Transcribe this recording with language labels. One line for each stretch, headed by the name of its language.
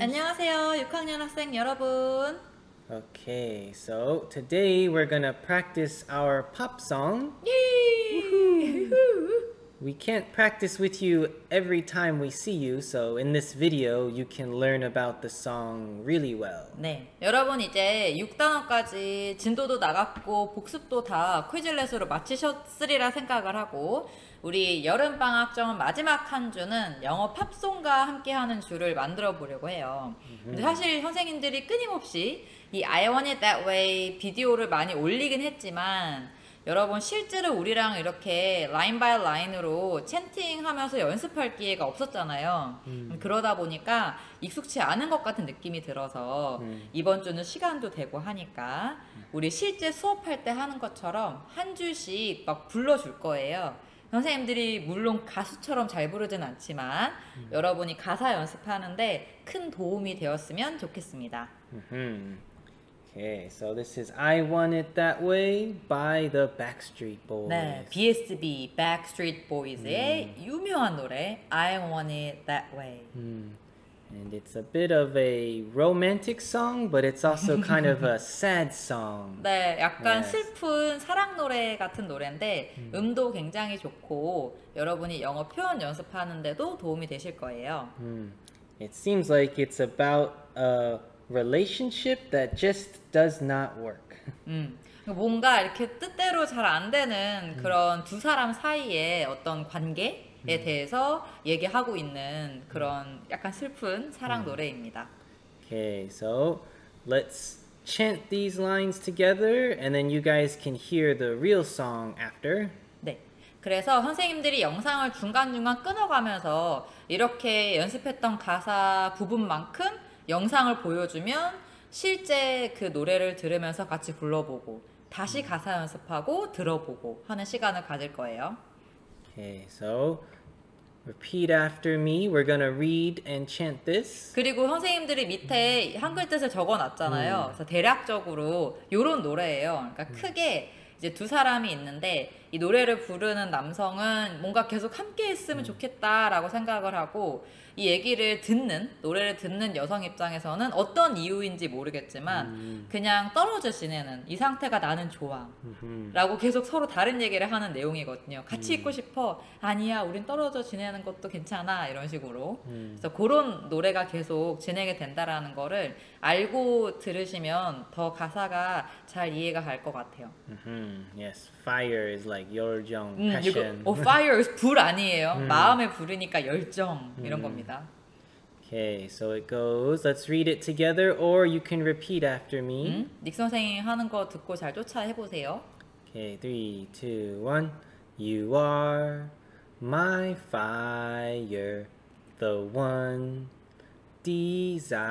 Korean: 안녕하세요, 6학년 학생 여러분.
English: Okay, so today we're gonna practice our pop song. Yay! We can't practice with you every time we see you, so in this video you can learn about the song really well.
Korean: 네, 여러분 이제 6단어까지 진도도 나갔고 복습도 다 퀴즈렛으로 마치셨으리라 생각을 하고 우리 여름방학 중 마지막 한 주는 영어 팝송과 함께하는 주를 만들어 보려고 해요. 근데 사실 선생님들이 끊임없이 이 I want it that way 비디오를 많이 올리긴 했지만 여러분 실제로 우리랑 이렇게
English: line by line
Korean: 으로 챈팅하면서 연습할 기회가 없었잖아요. 그러다 보니까 익숙치 않은 것 같은 느낌이 들어서 이번 주는 시간도 되고 하니까 우리 실제 수업할 때 하는 것처럼 한 줄씩 막 불러줄 거예요. 선생님들이 물론 가수처럼 잘 부르진 않지만 여러분이 가사 연습하는데 큰 도움이 되었으면 좋겠습니다.
English: Okay, so this is I Want It That Way by the Backstreet Boys.
Korean: 네, BSB, Backstreet Boys의 유명한 노래 I Want It That Way.
English: And it's a bit of a romantic song, but it's also kind of a sad song.
Korean: 네, 약간
English: yes.
Korean: 슬픈 사랑 노래 같은 노래인데 음도 굉장히 좋고 여러분이 영어 표현 연습하는데도 도움이 되실 거예요.
English: It seems like it's about a relationship that just does not work.
Korean: 뭔가 이렇게 뜻대로 잘 안 되는 그런 두 사람 사이의 어떤 관계에 대해서 얘기하고 있는 그런 약간 슬픈 사랑 노래입니다.
English: Okay, so let's chant these lines together and then you guys can hear the real song after.
Korean: 그래서 선생님들이 영상을 중간중간 끊어가면서 이렇게 연습했던 가사 부분만큼 영상을 보여주면 실제 그 노래를 들으면서 같이 불러보고 다시 가사 연습하고 들어보고 하는 시간을 가질 거예요.
English: Okay, so repeat after me. We're gonna read and chant this.
Korean: 그리고 선생님들이 밑에 한글 뜻을 적어놨잖아요. 그래서 대략적으로 이런 노래예요. 그러니까 크게 이제 두 사람이 있는데 이 노래를 부르는 남성은 뭔가 계속 함께 했으면 좋겠다라고 생각을 하고 이 얘기를 듣는, 노래를 듣는 여성 입장에서는 어떤 이유인지 모르겠지만 그냥 떨어져 지내는 이 상태가 나는 좋아 라고 계속 서로 다른 얘기를 하는 내용이거든요. 같이 있고 싶어. 아니야, 우린 떨어져 지내는 것도 괜찮아. 이런 식으로. 그래서 그런 노래가 계속 진행이 된다라는 거를 알고 들으시면 더 가사가 잘 이해가 갈 것 같아요.
English: Yes, fire is like 열정, passion.
Korean: 이거,
English: fire is
Korean: 불 아니에요. 마음에 불이니까 열정 이런 겁니다.
English: Okay, so it goes. Let's read it together or you can repeat after me.
Korean: 닉 선생님 하는 거 듣고 잘 쫓아 해보세요.
English: Okay, 3, 2, 1. You are my fire, the one desire.